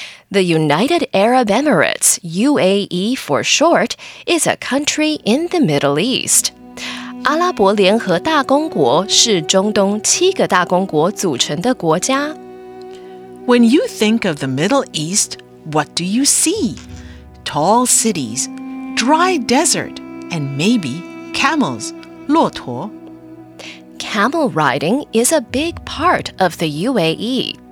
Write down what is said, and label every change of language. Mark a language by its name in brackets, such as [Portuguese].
[English] The United Arab Emirates, UAE for short, is a country in the Middle East. [Chinese] 阿拉伯联合大公国是中东七个大公国组成的国家。 [English] When you think of the Middle East, what do you see? Tall cities,dry desert, and maybe camels, 骆驼. Camel riding is a big part of the UAE.